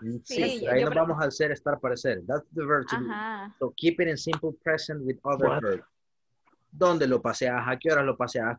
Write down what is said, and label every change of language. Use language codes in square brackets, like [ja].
[es] Sí, sí, ahí nos vamos a hacer estar parecer. [en] That's the verb. Uh-huh. So keep it in simple present with other verbs. [es] ¿Dónde lo paseas? ¿A qué horas lo paseas?